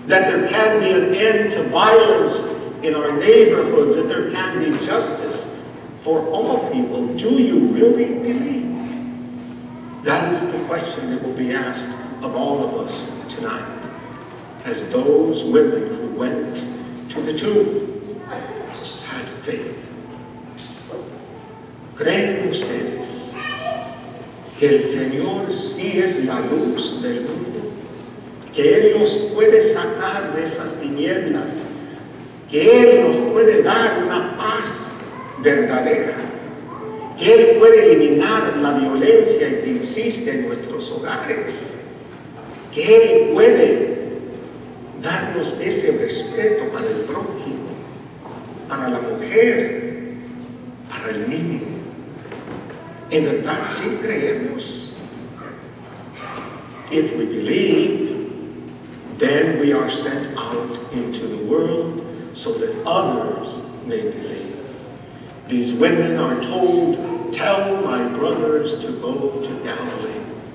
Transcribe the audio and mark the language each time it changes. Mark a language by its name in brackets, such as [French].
[English] That there can be an end to violence in our neighborhoods, that there can be justice for all people? Do you really believe? That is the question that will be asked of all of us tonight, as those women who went to the tomb had faith. [Spanish] ¿Creen ustedes que el Señor sí es la luz del mundo? ¿Que Él los puede sacar de esas tinieblas? Que Él nos puede dar una paz verdadera. Que Él puede eliminar la violencia que existe en nuestros hogares. Que Él puede darnos ese respeto para el prójimo, para la mujer, para el niño. En verdad, sí creemos. [English] If we believe, then we are sent out into the world so that others may believe. These women are told, tell my brothers to go to Galilee.